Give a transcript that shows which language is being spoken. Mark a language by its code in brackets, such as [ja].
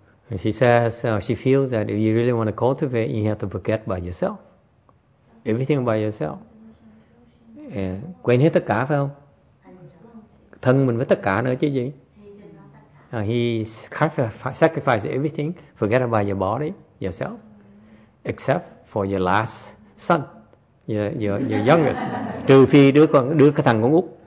[en] And she says she feels that if you really want to cultivate, you have to forget by yourself. Everything by yourself. Yeah. [vi] Quên hết tất cả phải không? Thân mình với tất cả nữa chứ gì? [en] He sacrificed everything, forget about your body, yourself, except for your last son, your youngest. [vi] Trừ phi đứa cái thằng con út.